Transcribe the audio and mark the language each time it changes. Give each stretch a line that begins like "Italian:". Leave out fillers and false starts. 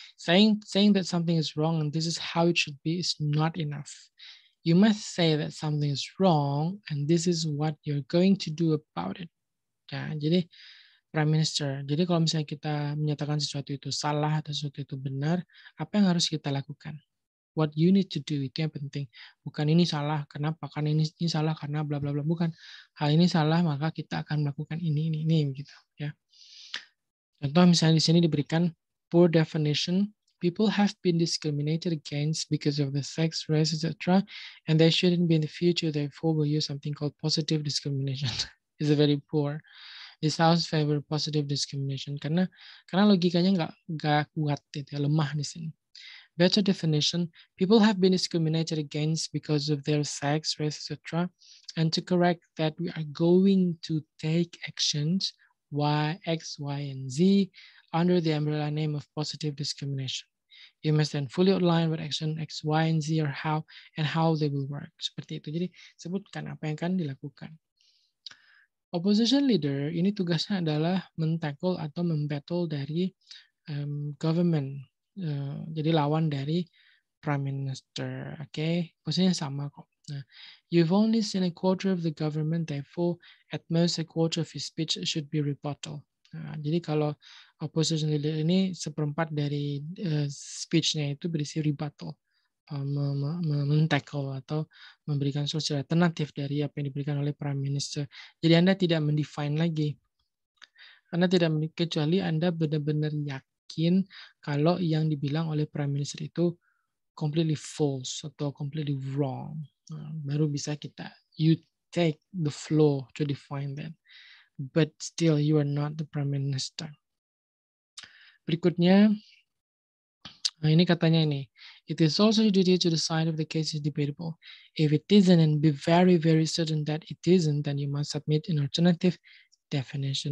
English: Saying that something is wrong and this is how it should be is not enough. You must say that something is wrong and this is what you're going to do about it.
Indonesian: Ya, jadi Prime Minister. Jadi kalau misalnya kita menyatakan sesuatu itu salah atau sesuatu itu benar, apa yang harus kita lakukan? What you need to do, itu yang penting. Bukan ini salah, kenapa? Karena ini salah karena bla bla bla. Bukan. Hal ini salah, maka kita akan melakukan ini gitu, ya. Contoh misalnya di sini diberikan poor definition.
English: People have been discriminated against because of the sex, race, etc. And they shouldn't be in the future. Therefore, we'll use something called positive discrimination. It's very poor. This house favor positive discrimination.
Indonesian: Karena logikanya nggak kuat, gitu, lemah di sini.
English: Better definition. People have been discriminated against because of their sex, race, etc. And to correct that, we are going to take actions Y, X, Y, and Z under the umbrella name of positive discrimination. You must then fully outline what action X, Y, and Z are how and how they will work.
Indonesian: Seperti itu. Jadi sebutkan apa yang akan dilakukan. Opposition leader ini tugasnya adalah men-tackle atau membattle dari government. Jadi lawan dari Prime Minister. Okay? Posisinya sama kok.
English: You've only seen a quarter of the government, therefore, at most a quarter of his speech should be rebuttal.
Indonesian: Jadi kalau opposition leader ini seperempat dari speech-nya itu berisi rebuttal, men-tackle atau memberikan solusi alternatif dari apa yang diberikan oleh Prime Minister. Jadi Anda tidak mendefine lagi. Anda tidak kecuali Anda benar-benar yakin kalau yang dibilang oleh Prime Minister itu completely false atau completely wrong. Baru bisa kita,
English: you take the floor to define that. But still, you are not the Prime Minister.
Indonesian: Berikutnya, nah ini katanya ini.
English: It is also your duty to decide if the case is debatable. If it isn't, and be very, very certain that it isn't, then you must submit an alternative definition.